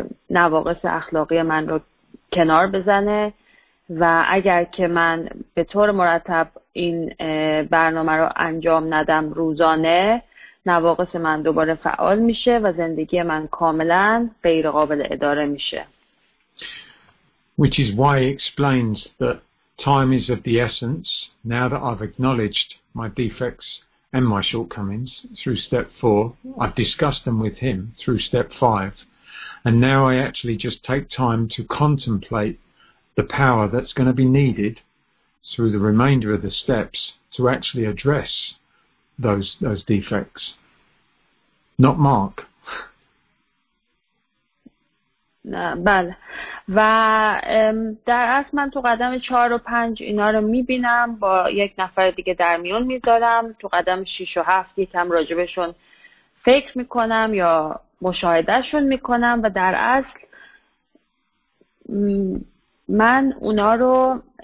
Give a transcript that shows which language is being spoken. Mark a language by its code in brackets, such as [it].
[fa] نواقص اخلاقی من رو کنار بزنه و اگر که من به طور مرتب این برنامه رو انجام ندم روزانه نواقص من دوباره فعال میشه و زندگی من کاملا غیر قابل اداره میشه. [en] Which is why he explains that time is of the essence now that I've acknowledged my defects and my shortcomings through step 4. I've discussed them with him through step 5. And now I actually just take time to contemplate the power that's going to be needed through the remainder of the steps to actually address those defects. Not Mark. [fa] بله و در اصل من تو قدم 4 و 5 اینا رو میبینم با یک نفر دیگه در میون میذارم تو قدم 6 و 7 یکم راجبشون فکر میکنم یا مشاهدهشون میکنم و در اصل من اونا رو